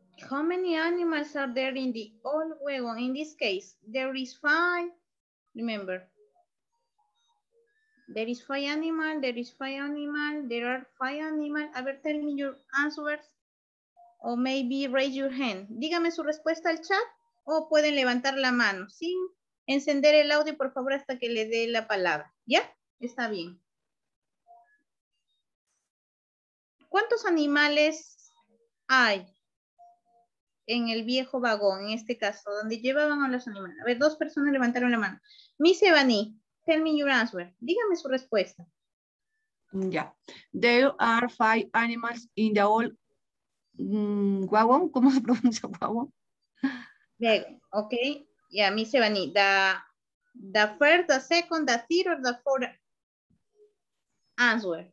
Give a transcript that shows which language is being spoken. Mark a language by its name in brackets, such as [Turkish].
[English] How many animals are there in the old wagon? In this case, there is five. Remember. There is five animal, there is five animal, there are five animal. [Spanish] A ver, [English] tell me your answers. O maybe raise your hand. [Spanish] Dígame su respuesta al chat o pueden levantar la mano. Sin encender el audio, por favor, hasta que le dé la palabra. ¿Ya? Está bien. ¿Cuántos animales hay en el viejo vagón, en este caso, donde llevaban a los animales? A ver, dos personas levantaron la mano. [English] Miss Ebony. Tell me your answer. [Spanish] Dígame su respuesta. Ya. Yeah. [English] There are five animals in the old wagon. [Spanish] ¿Cómo se pronuncia wagon? [English] Ok. Ya, yeah, Miss Ebony. The first, the second, the third, or the fourth answer.